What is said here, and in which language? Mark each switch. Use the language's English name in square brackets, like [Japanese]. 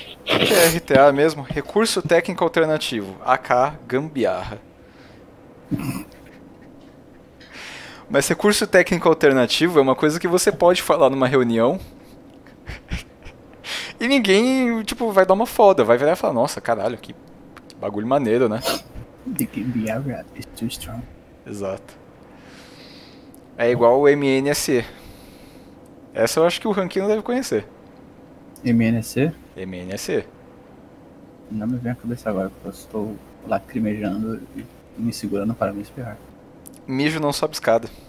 [Portuguese] O que é RTA mesmo? Recurso técnico alternativo. AK gambiarra. Mas recurso técnico alternativo é uma coisa que você pode falar numa reunião. E ninguém, tipo, vai dar uma foda. Vai virar e falar, nossa, caralho, que bagulho maneiro, né? [English] The Gambiarra is too strong. [Portuguese] Exato. É igual o MNSE. Essa eu acho que o Ranquinho deve conhecer. MNC? MNSE. Não me vem a cabeça agora, porque eu estou lacrimejando e me segurando para me espirrar. Mijo não sobe escada.